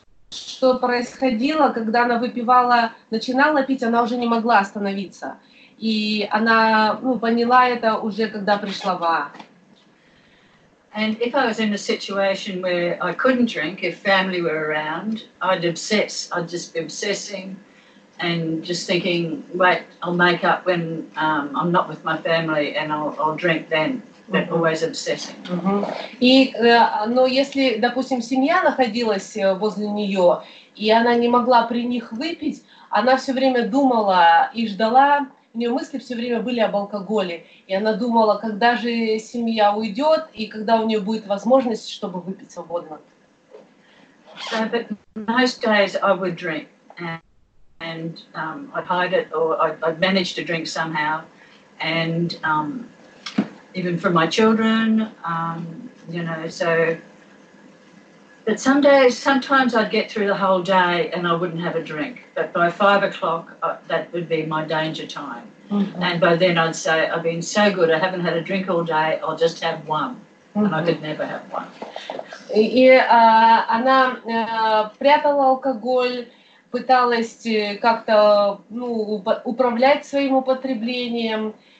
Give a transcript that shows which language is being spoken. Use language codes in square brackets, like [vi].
[ru] Что происходило, когда она выпивала, начинала пить, она уже не могла остановиться. И она, ну, поняла это уже, когда пришла в [en] And if I was in a situation where I couldn't drink, if family were around, I'd obsess. I'd just be obsessing and just thinking, wait, I'll make up when I'm not with my family and I'll drink then. But always obsessing. [ru] И, но если, допустим, семья находилась возле нее, и она не могла при них выпить, она все время думала и ждала. У нее мысли все время были об алкоголе, и она думала, когда же семья уйдет и когда у нее будет возможность, чтобы выпить свободно. [en] So, but most days I would drink, and I'd hide it, or I'd manage to drink somehow, and even for my children, you know. So, but some days, sometimes I'd get through the whole day and I wouldn't have a drink. But by 5 o'clock, that would be my danger time. Mm-hmm. And by then I'd say, I've been so good, I haven't had a drink all day, I'll just have one. Mm-hmm. And I could never have one. [ru] И она прятала алкоголь, пыталась как-то, ну, управлять своим употреблением.